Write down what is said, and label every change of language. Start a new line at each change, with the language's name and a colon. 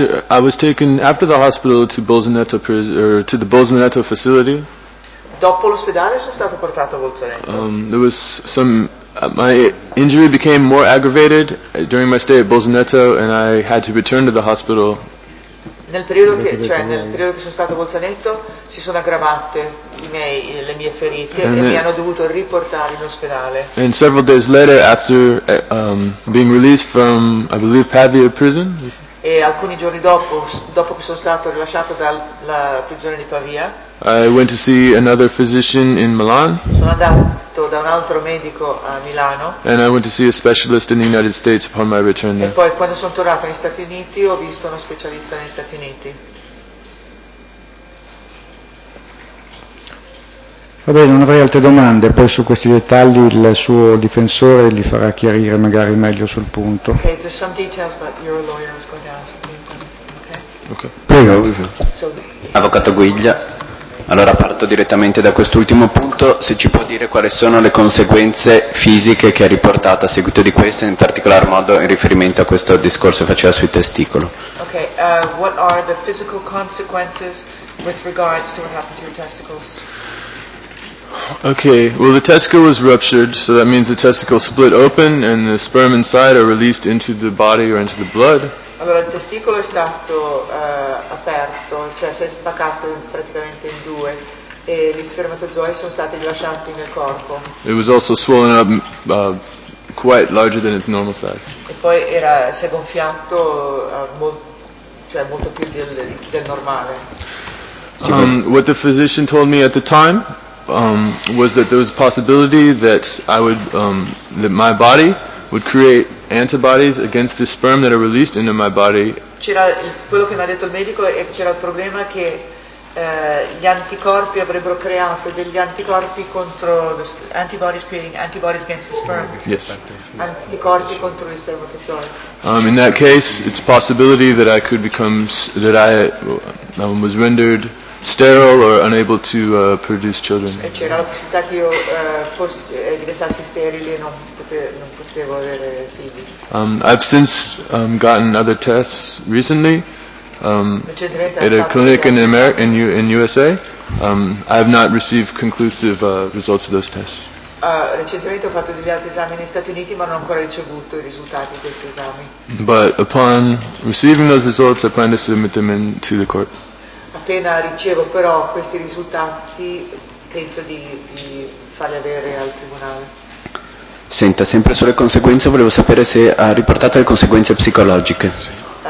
English: I was taken after the hospital to Bolzaneto to the Bolzaneto facility.
Italian: Dopo l'ospedale sono stato portato a Bolzaneto.
English: There was some... my injury became more aggravated during my stay at Bolzaneto and I had to return to the hospital.
Italian: Nel periodo che sono stato a Bolzaneto si sono aggravate le mie ferite
English: and
Italian: e then, mi hanno dovuto riportare in ospedale.
English: And several days later, after being released from, I believe, Pavia prison.
Italian: E alcuni giorni dopo che sono stato rilasciato dalla prigione di Pavia.
English: I went to see another physician in Milan.
Italian: Sono andato da un altro medico a Milano.
English: And I went to see a specialist in the United States upon my return there.
Italian: E poi quando sono tornato negli Stati Uniti ho visto uno specialista negli Stati Uniti. Va bene, non avrei altre domande, poi su questi dettagli il suo difensore li farà chiarire magari meglio sul punto.
English: Okay, there's some details, but your lawyer is going to ask me. Okay.
Italian: Prego. Avvocato Guiglia, allora parto direttamente da quest'ultimo punto, se ci può dire quali sono le conseguenze fisiche che ha riportato a seguito di questo, in particolar modo in riferimento a questo discorso che faceva sui testicoli.
English: Ok, what are the physical consequences with regards to what happened to your testicles? Okay, well the testicle was ruptured, so that means the testicle split open and the sperm inside are released into the body or into the blood.
Italian: Allora, il testicolo è stato aperto, cioè si è spaccato praticamente in due e gli spermatozoi sono stati rilasciati nel corpo.
English: It was also swollen up quite larger than its normal size.
Italian: E poi si è gonfiato molto più del normale.
English: What the physician told me at the time was that there was a possibility that I would that my body would create antibodies against the sperm that are released into my body.
Italian: C'era quello che mi ha detto il medico e c'era il problema che gli anticorpi avrebbero creato degli anticorpi contro
English: antibodies creating antibodies against the sperm. Yes.
Italian: Anticorpi contro gli spermatozoi.
English: In that case, it's a possibility that I could become that I was rendered sterile or unable to produce children.
Italian: C'era la possibilità che io fosse diventassi sterile e non potevo avere figli.
English: I've since gotten other tests recently at a clinic in America, in USA. I have not received conclusive results of those tests.
Italian: Recentemente ho fatto degli altri esami negli Stati Uniti, ma non ho ancora ricevuto i risultati di questi esami.
English: But upon receiving those results, I plan to submit them to the court.
Italian: Appena ricevo però questi risultati, penso di farli avere al tribunale. Senta, sempre sulle conseguenze, volevo sapere se ha riportato le conseguenze psicologiche.